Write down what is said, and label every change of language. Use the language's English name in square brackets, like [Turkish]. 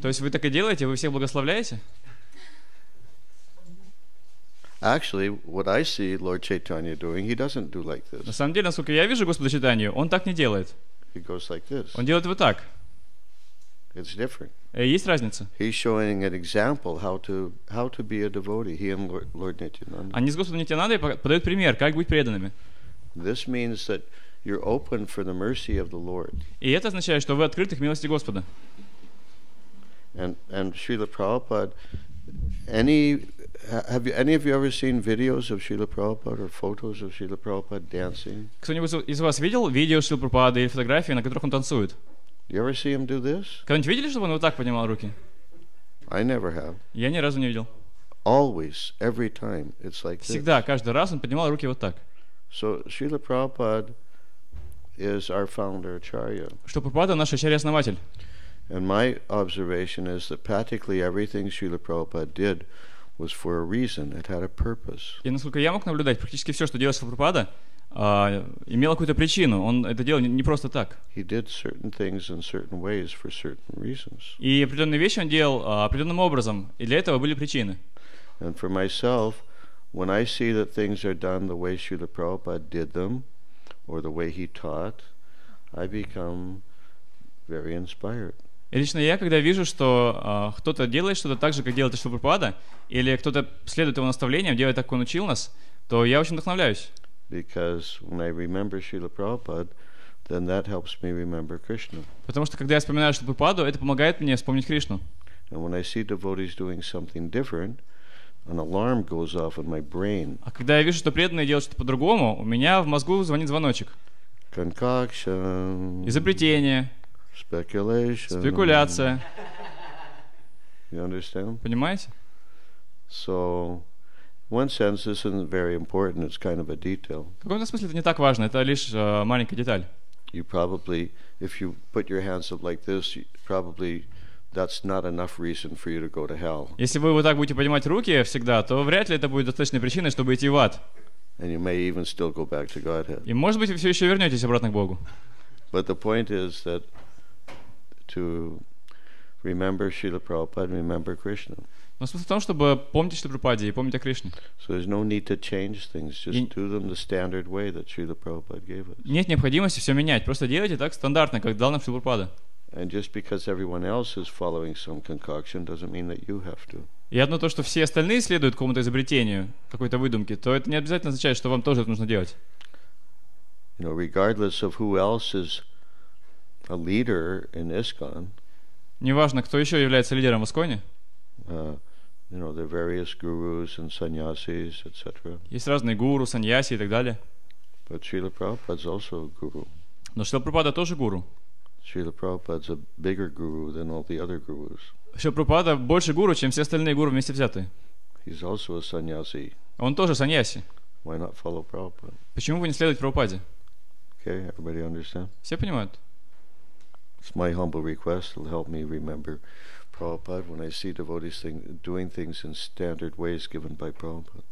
[Russian] То есть вы так и делаете? Вы всех благословляете? [English] Actually, what I see Lord Chaitanya doing, he doesn't do like this. [Russian] На самом деле, насколько я вижу Господа Чайтанью, он так не делает. [English] He goes like this. [Russian] Он делает вот так. [English] It's different. [Russian] Есть разница. [English] He's showing an example how to be a devotee. He and Lord Nityananda. [Russian] Они с Господом Нитянандой подают пример, как быть преданными. [English] This means that you're open for the mercy of the Lord. [Russian] И это означает, что вы открыты к милости Господа. [English] And Srila Prabhupada, have any of you ever seen videos of Srila Prabhupada or photos of Srila Prabhupada dancing? [Russian] Кто-нибудь из вас видел видео Шрилы Прабхупады или фотографии, на которых он танцует? [English] You ever see him do this? [Russian] Когда-нибудь видели, чтобы он вот так поднимал руки? [English] I never have. [Russian] Я ни разу не видел. [English] Always, every time, it's like this. [Russian] Всегда, каждый раз он поднимал руки вот так. [English] So Srila Prabhupada is our founder acharya. [Russian] Что Прабхупада наш ачарья-основатель. [English] And my observation is that practically everything Srila Prabhupada did was for a reason. It had a purpose. [Russian] И насколько я мог наблюдать, практически все, что делал Шрила Прабхупада, имел какую-то причину. Он это делал не просто так. [English] He did certain things in certain ways for certain reasons. [Russian] И определенные вещи он делал определенным образом, и для этого были причины. [English] And for myself, when I see that things are done the way Srila Prabhupada did them, or the way he taught, I become very inspired. [Russian] И лично я, когда вижу, что кто-то делает что-то так же, как делает Шрила Прабхупада, или кто-то следует его наставлениям, делает так, как он учил нас, то я очень вдохновляюсь. [English] Because when I remember Srila Prabhupada, then that helps me remember Krishna. [Russian] Потому что когда я вспоминаю что Прабхупаду, это помогает мне вспомнить Кришну. [English] And when I see devotees doing something different, an alarm goes off in my brain. [Russian] А когда я вижу, что преданные делают что-то по-другому, у меня в мозгу звонит звоночек. [English] Concoction. [Russian] Изобретение. [English] Speculation. [Russian] Спекуляция. [English] You understand? [Russian] Понимаете? [English] So, one sense this isn't very important. It's kind of a detail. [Russian] В каком-то смысле это не так важно. Это лишь маленькая деталь. [English] You probably, if you put your hands up like this, probably that's not enough reason for you to go to hell. [Russian] Если вы вот так будете поднимать руки всегда, то вряд ли это будет достаточной причиной, чтобы идти в ад. [English] And you may even still go back to Godhead. [Russian] И может быть вы все еще вернетесь обратно к Богу. [English] But the point is that to remember Srila Prabhupada, remember Krishna. [Russian] Но смысл в том, чтобы помнить Шрилу Прабхупаду и помнить о Кришне. [English] So there's no need to change things, just do them the standard way that Srila Prabhupada gave us. [Russian] Нет необходимости все менять, просто делайте так стандартно, как дал нам Шрила Прабхупада. [English] And just because everyone else is following some concoction doesn't mean that you have to. [Russian] И одно то, что все остальные следуют какому-то изобретению, какой-то выдумке, то это не обязательно означает, что вам тоже это нужно делать. [English] You know, regardless of who else is a leader in ISKCON. [Russian] Неважно, кто еще является лидером в ISKCON. [English] You know, there are various gurus and sannyasis, etc. [Russian] Есть разные гуру, саньяси и так далее. [English] But Srila Prabhupada is also a guru. [Russian] Но Шрила Прабхупада тоже гуру. [English] Srila Prabhupada is a bigger guru than all the other gurus. [Russian] Шрила Прабхупада больше гуру, чем все остальные гуру вместе взятые. [English] He's also a sannyasi. [Russian] Он тоже саньяси. [English] Why not follow Prabhupada? [Russian] Почему бы не следовать Прабхупаде? [English] Okay, everybody understand? [Russian] Все понимают. [English] It's my humble request. It'll help me remember Prabhupada when I see devotees doing things in standard ways given by Prabhupada.